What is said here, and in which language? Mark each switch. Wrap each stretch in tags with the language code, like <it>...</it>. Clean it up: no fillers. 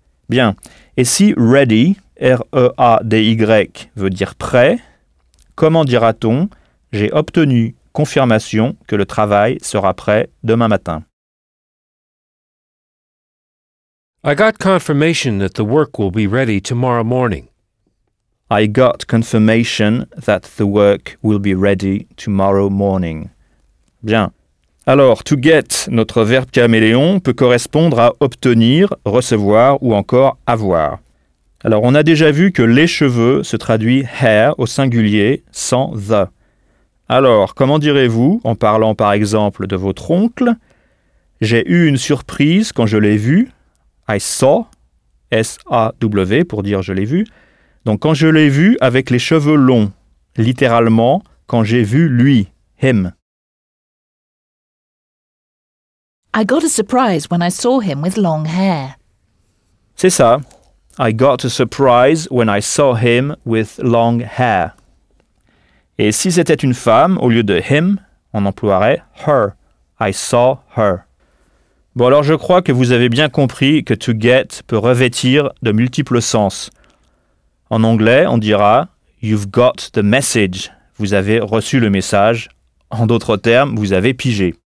<fr>Bien, et si ready, R-E-A-D-Y, veut dire prêt, comment dira-t-on « j'ai obtenu confirmation que le travail sera prêt demain matin »</fr> <en>I got confirmation that the work will be ready tomorrow morning. I got confirmation that the work will be ready tomorrow morning.</en> <fr>Bien. Alors, to get, notre verbe caméléon, peut correspondre à obtenir, recevoir ou encore avoir. Alors, on a déjà vu que les cheveux se traduit hair au singulier sans the. Alors, comment direz-vous, en parlant par exemple de votre oncle, j'ai eu une surprise quand je l'ai vu.</fr> <en>I saw,</en> <fr>S-A-W, pour dire je l'ai vu. Donc, quand je l'ai vu avec les cheveux longs, littéralement, quand j'ai vu lui, him.</fr> <en>I got a surprise when I saw him with long hair.</en> <fr>C'est ça.</fr> <en>I got a surprise when I saw him with long hair.</en> <fr>Et si c'était une femme, au lieu de him, on emploierait her.</fr> <en>I saw her.</en> <fr>Bon, alors je crois que vous avez bien compris que to get peut revêtir de multiples sens. En anglais, on dira</fr> <en>you've got the message.</en> <fr>Vous avez reçu le message. En d'autres termes, vous avez pigé.</fr>